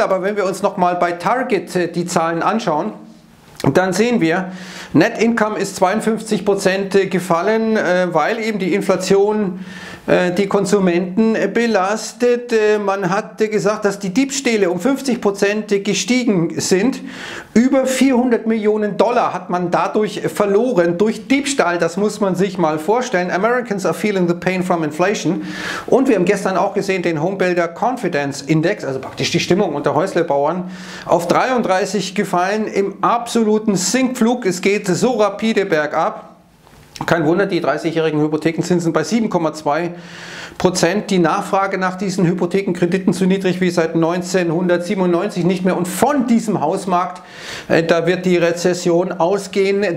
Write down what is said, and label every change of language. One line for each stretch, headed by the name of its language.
German: Aber wenn wir uns nochmal bei Target die Zahlen anschauen, dann sehen wir, Net Income ist 52% gefallen, weil eben die Inflation die Konsumenten belastet. Man hat gesagt, dass die Diebstähle um 50% gestiegen sind. Über 400 Millionen Dollar hat man dadurch verloren, durch Diebstahl. Das muss man sich mal vorstellen.
English: Americans are feeling the pain from inflation.
German: Und wir haben gestern auch gesehen, den Homebuilder Confidence Index, also praktisch die Stimmung unter Häuslebauern, auf 33 gefallen, im absoluten Sinkflug. Es geht so rapide bergab. Kein Wunder, die 30-jährigen Hypothekenzinsen bei 7,2%, die Nachfrage nach diesen Hypothekenkrediten zu niedrig wie seit 1997 nicht mehr. Und von diesem Hausmarkt, da wird die Rezession ausgehen.